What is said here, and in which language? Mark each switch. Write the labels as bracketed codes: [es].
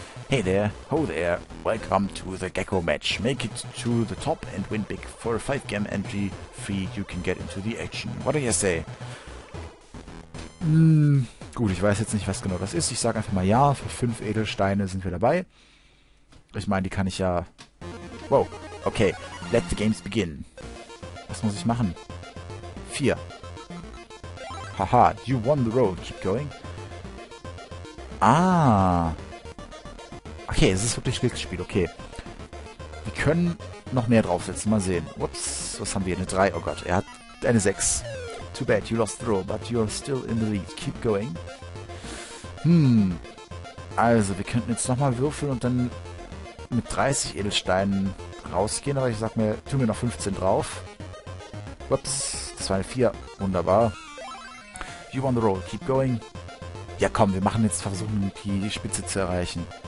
[en] Hey there, ho there, welcome to the Gecko Match. Make it to the top and win big. For a 5-game entry fee, you can get into the action. What do you say? [de] Gut, ich weiß jetzt nicht, was genau das ist. Ich sage einfach mal ja, für 5 Edelsteine sind wir dabei. Ich meine, die kann ich ja... Wow, [en] okay, let the games begin. [de] Was muss ich machen? 4. [en] Haha, you won the road, keep going. Ah. [de] Okay, es ist wirklich ein Glücksspiel, okay. Wir können noch mehr draufsetzen, mal sehen. Ups, was haben wir? Eine 3, oh Gott, er hat eine 6. [en] Too bad, you lost the road, but you're still in the lead, keep going. [de] Also, wir könnten jetzt nochmal würfeln und dann mit 30 Edelsteinen rausgehen, aber ich sag mir, tun wir noch 15 drauf. Ups, das war eine 4, wunderbar. [en] You on the roll, keep going. [de] Ja komm, wir machen jetzt versuchen, die Spitze zu erreichen.